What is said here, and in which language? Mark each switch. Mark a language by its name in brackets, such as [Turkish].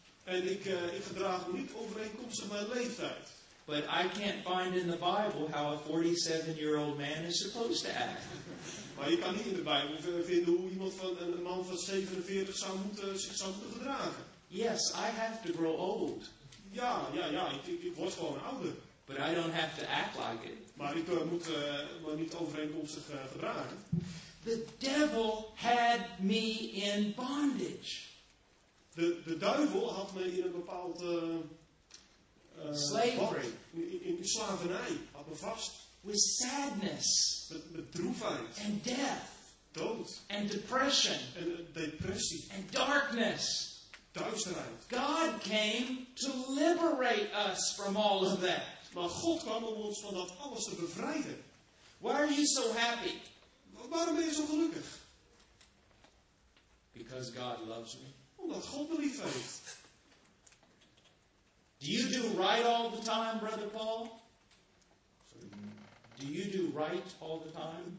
[Dutch] En ik gedraag me niet overeenkomstig mijn leeftijd. [English] But I can't find in the Bible how a 47-year-old man is supposed to act. [Dutch] Maar je kan niet in de Bijbel vinden hoe iemand van een man van 47 zou moeten gedragen. [English] Yes, I have to grow old. [Dutch] Ja, ik word gewoon ouder. [English] But I don't have to act like it. [Dutch] Maar ik moet me niet overeenkomstig gedragen. [English] The devil had me in bondage. [Dutch] De duivel had me in een bepaald [English] slavery. [Dutch] In slavernij had me vast. [English] With sadness. [Dutch] Met droefheid. [English] And death. [Dutch] Dood. [English] And depression. [Dutch] En depressie. [English] And darkness. [Dutch] Duisternis. [English] God came to liberate us from all of that. [Dutch] Maar God kwam om ons van dat alles te bevrijden. [English] Why are you so happy? [Dutch] Waarom ben je zo gelukkig? [English] Because God loves me. [Dutch] Omdat God me lief heeft. [English] Do you do right all the time, Brother Paul? Do you do right all the time?